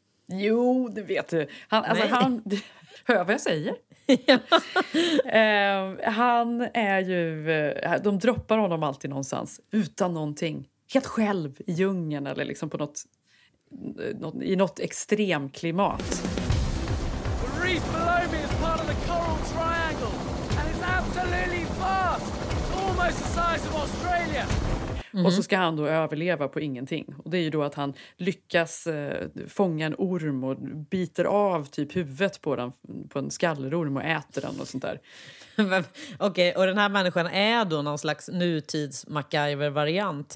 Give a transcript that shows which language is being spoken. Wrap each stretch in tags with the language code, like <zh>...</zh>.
<sv>Jo, det vet du. Han, alltså han, hör vad jag säger? han är ju... De droppar honom alltid någonstans. Utan någonting. Helt själv i djungeln eller liksom på något... i något extremklimat.</sv> <en>The reef below me is part of the coral triangle and it's absolutely vast. It's almost the size of Australia. Mm-hmm.</en> <sv>Och så ska han då överleva på ingenting. Och det är ju då att han lyckas fånga en orm och biter av typ huvudet på den, på en skallerorm, och äter den och sånt där. Okej, och den här människan är då någon slags nutids MacGyver-variant?</sv>